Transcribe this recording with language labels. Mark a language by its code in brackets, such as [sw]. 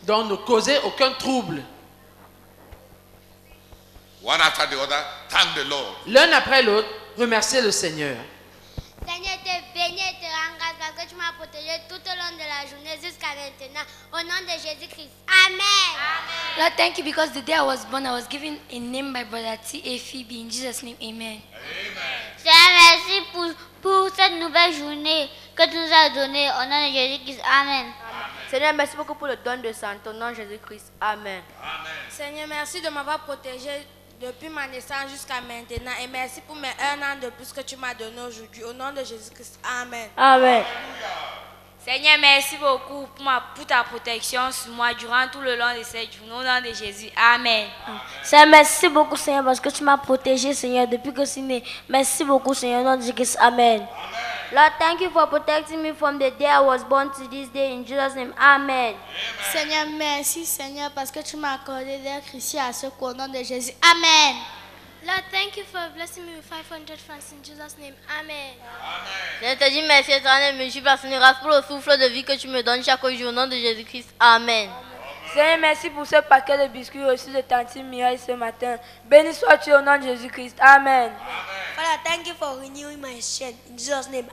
[fr] Donc ne causez aucun trouble. [en] One after the other, thank the Lord. [fr] L'un après l'autre, remerciez le Seigneur. Seigneur, te bénis et te rends grâce parce que tu m'as protégé tout au long de la journée jusqu'à maintenant. Au nom de Jésus-Christ. Amen. Amen. [en] Lord, thank you because the day I was born, I was given a name by brother T.A. Phoebe. In Jesus' name, amen. Amen. [fr] Seigneur, merci pour cette nouvelle journée que tu nous as donnée. Au nom de Jésus-Christ. Amen. Amen. Seigneur, merci beaucoup pour le don de santé. Au nom de Jésus-Christ. Amen. Amen. Seigneur, merci de m'avoir protégé depuis ma naissance jusqu'à maintenant. Et merci pour mes un an de plus que tu m'as donné aujourd'hui. Au nom de Jésus-Christ. Amen. Amen. Alléluia. Seigneur, merci beaucoup pour ta protection sur moi durant tout le long de cette journée. Au nom de Jésus. Amen. Amen. Seigneur, merci beaucoup, Seigneur, parce que tu m'as protégé, Seigneur, depuis que je suis né. Merci beaucoup, Seigneur. Au nom de Jésus-Christ. Amen. Amen. [en] Lord, thank you for protecting me from the day I was born to this day. In Jesus' name, amen. Amen. [fr] Seigneur, merci, Seigneur, parce que tu m'as accordé d'être ici à ce qu'au nom de Jésus. Amen. [en] Lord, thank you for blessing me with 500 francs in Jesus' name. Amen. Amen. [fr] Je te dis merci, éternel, mais je suis personne grâce pour le souffle de vie que tu me donnes chaque jour au nom de Jésus-Christ. Amen. Seigneur, merci pour ce paquet de biscuits reçus de Tante Mireille ce matin. Béni sois-tu au nom de Jésus-Christ. Amen. Amen. [en] Father, thank you for renewing my strength in Jesus' name.